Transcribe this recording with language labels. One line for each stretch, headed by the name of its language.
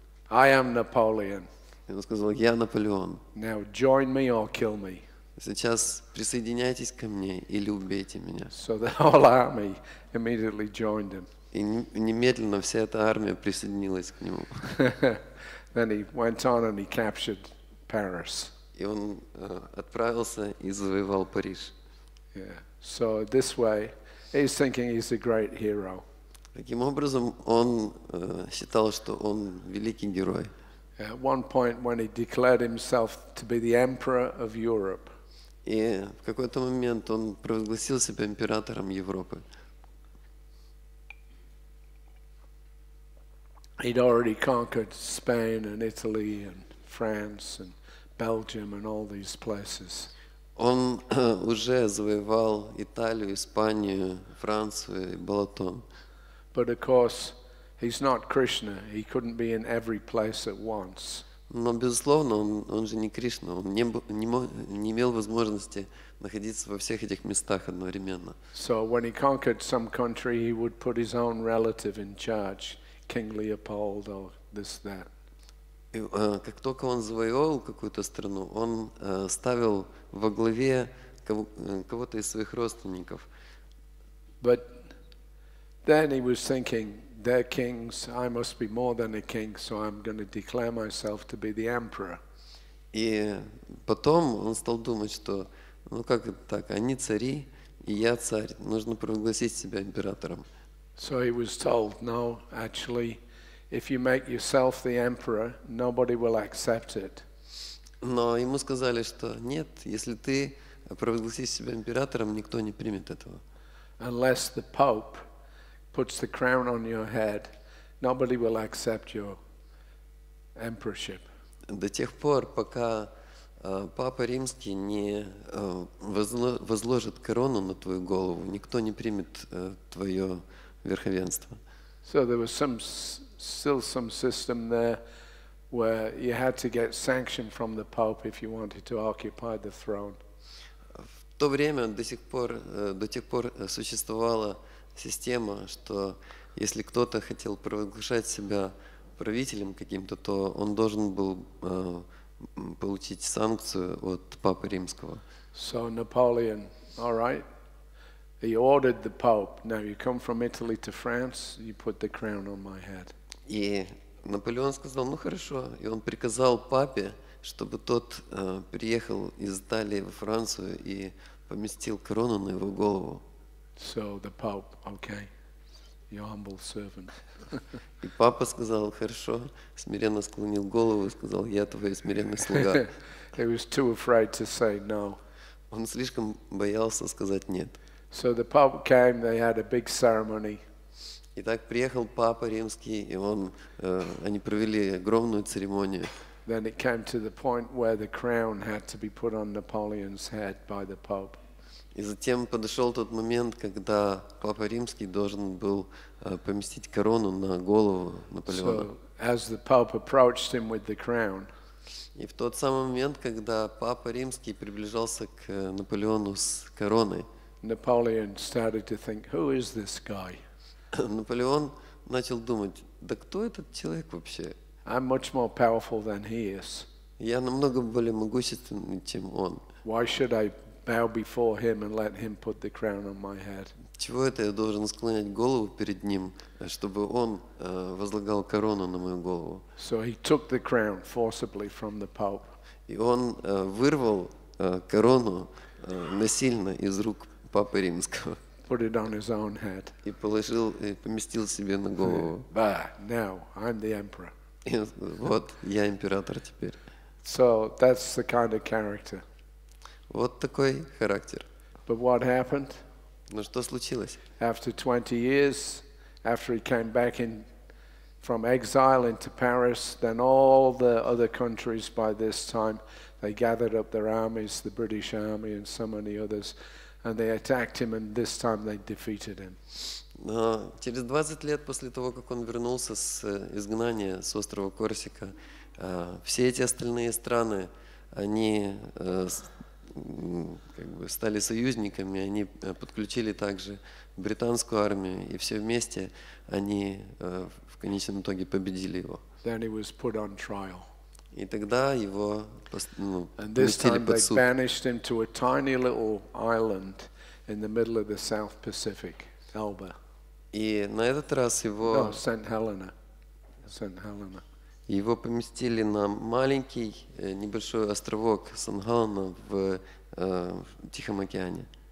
English: I am Napoleon.
Russian: И он сказал: я Наполеон.
English: Now join me or kill me.
Russian: Сейчас присоединяйтесь ко мне или убейте меня.
English: So the whole army immediately joined him.
Russian: И немедленно вся эта армия присоединилась к нему.
English: Then he went on and he captured Paris.
Russian: И он отправился и завоевал Париж.
English: Yeah. So this way he's thinking he's a great hero.
Russian: Таким образом, он считал, что он великий герой.
English: At one point when he declared himself to be the emperor of Europe.
Russian: И в какой-то момент он провозгласил себя императором Европы.
English: He'd already conquered Spain and Italy and France and Belgium and all these places.
Russian: Он уже завоевал Италию, Испанию, Францию и Балатон.
English: But of course, he's not Krishna. He couldn't be in every place at once.
Russian: Но безусловно, он же не Кришна. Он не имел возможности находиться во всех этих местах одновременно.
English: So when he conquered some country, he would put his own relative in charge, King Leopold or this that.
Russian: И как только он завоевал какую-то страну, он ставил во главе кого-то из своих родственников.
English: But then he was thinking, they're kings, I must be more than a king, so I'm going to declare myself to be the emperor.
Russian: И потом он стал думать, что, ну как это так, они цари, и я царь, нужно провозгласить себя императором.
English: So he was told, no, actually, if you make yourself the emperor, nobody will accept it.
Russian: Но ему сказали, что нет, если ты провозгласишь себя императором, никто не примет этого.
English: Unless the pope puts the crown on your head, nobody will accept your emperorship.
Russian: До тех пор, пока папа римский не возложит корону на твою голову, никто не примет твое верховенство.
English: So there was some system there where you had to get sanction from the pope if you wanted to occupy the throne.
Russian: В то время до тех пор существовала система, что если кто-то хотел провозглашать себя правителем каким-то, то он должен был получить санкцию от Папы Римского.
English: So Napoleon, all right. He ordered the Pope. Now you come from Italy to France, you put the crown on my head.
Russian: И Наполеон сказал: "Ну хорошо", и он приказал папе, чтобы тот приехал из Италии во Францию и поместил корону на его голову.
English: So the Pope, okay. Your humble servant.
Russian: И папа сказал: "Хорошо", смиренно склонил голову и сказал: "Я твой смиренный слуга".
English: He was too afraid to say no.
Russian: Он слишком боялся сказать нет.
English: So the Pope came, they had a big ceremony.
Russian: Итак, приехал папа римский, и он они провели огромную церемонию.
English: Then it came to the point where the crown had to be put on Napoleon's head by the Pope.
Russian: И затем подошел тот момент, когда папа римский должен был поместить корону на голову Наполеона.
English: So as the Pope approached him with the crown.
Russian: И в тот самый момент, когда папа римский приближался к Наполеону с короной,
English: Napoleon started to think, who is this guy?
Russian: Наполеон начал думать: да кто этот человек вообще?
English: I'm much more powerful than he is.
Russian: Я намного более могущественный, чем он.
English: Why should I bow before him and let him put the crown on my head?
Russian: Чего это я должен склонять голову перед ним, чтобы он возлагал корону на мою голову?
English: So he took the crown forcibly from the Pope.
Russian: И он вырвал корону насильно из рук Папы Римского.
English: Put it on his own head.
Russian: И положил, и поместил себе на голову.
English: Bah, now I'm the emperor.
Russian: Вот я император теперь.
English: So that's the kind of character.
Russian: Вот такой характер.
English: But what happened?
Russian: Но что случилось?
English: After 20 years, after he came back in from exile into Paris, then all the other countries by this time they gathered up their armies, the British army and so many others. And they attacked him, and this time they defeated him.
Russian: Но через 20 лет после того, как он вернулся с изгнания с острова Корсика, все эти остальные страны, они как бы стали союзниками, они подключили также британскую армию, и все вместе они в конечном итоге победили его.
English: Then he was put on trial.
Russian: И тогда его поместили под суд.
English: Banished him to a tiny little island in the middle of the South Pacific, Elba.
Russian: И на этот раз его
English: Saint Helena.
Russian: Его поместили на маленький небольшой островок Сан-Хелена в Тихом океане.